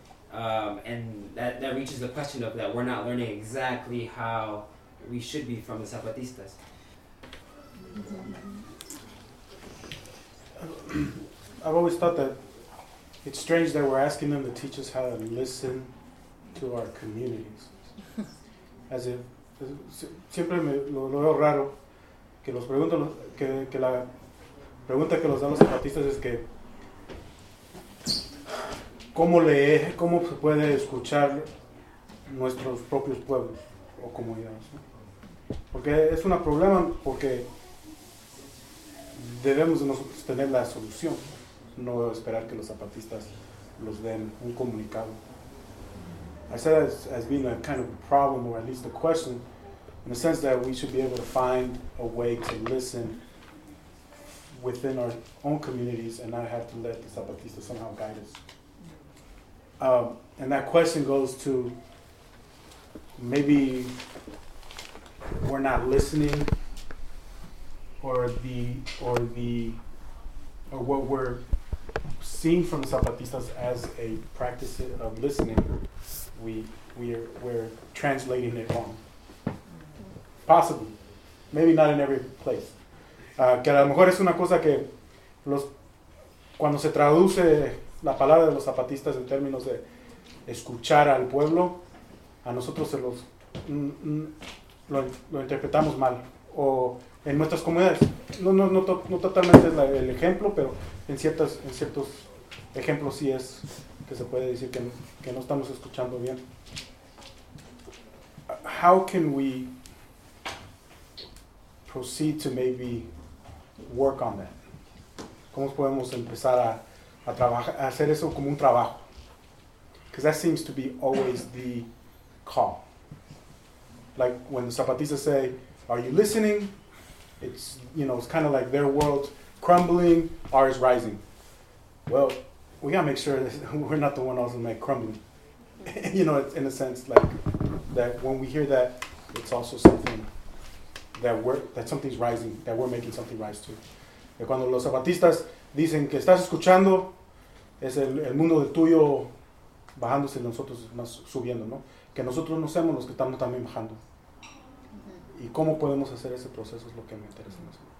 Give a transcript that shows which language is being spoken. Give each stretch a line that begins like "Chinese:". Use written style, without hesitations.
English: And that reaches the question of that we're not learning exactly how we should be from the Zapatistas. I've always thought that it's strange that we're asking them to teach us how to listen to our communities. As if
Spanish: siempre me lo veo raro que los pregunto que la pregunta que los dan los zapatistas es que cómo se puede escuchar nuestros propios pueblos o comunidades, ¿no? Porque es un problema, porque debemos nosotros tener la solución, no esperar que los zapatistas los den un comunicado.
English: I said that as being a kind of problem, or at least a question, in the sense that we should be able to find a way to listen within our own communities and not have to let the Zapatista somehow guide us. And that question goes to, maybe we're not listening, or what we're seeing from Zapatistas as a practice of listening, we're translating it wrong. Possibly, maybe not in every place.
Spanish: Que a lo mejor es una cosa que los cuando se traduce la palabra de los Zapatistas en términos de escuchar al pueblo, a nosotros se los lo interpretamos mal. O en nuestras comunidades, no totalmente es el ejemplo, pero en ciertos ejemplos sí es que se puede decir que no estamos escuchando bien.
English: How can we proceed to maybe work on that?
Spanish: ¿Cómo podemos empezar a trabajar, a hacer eso como un trabajo?
English: Because that seems to be always the call. Like when the Zapatistas say, "Are you listening?" It's, you know, it's kind of like their world crumbling, ours rising. Well, we gotta make sure that we're not the one also like crumbling. You know, it's in a sense like that when we hear that, it's also something that something's rising, that we're making something rise to.
Spanish: Que cuando los Zapatistas dicen que estás escuchando, es el mundo de tuyo bajándose y nosotros más subiendo, ¿no? Que nosotros no seamos los que estamos también bajando. Y cómo podemos hacer ese proceso es lo que me interesa más.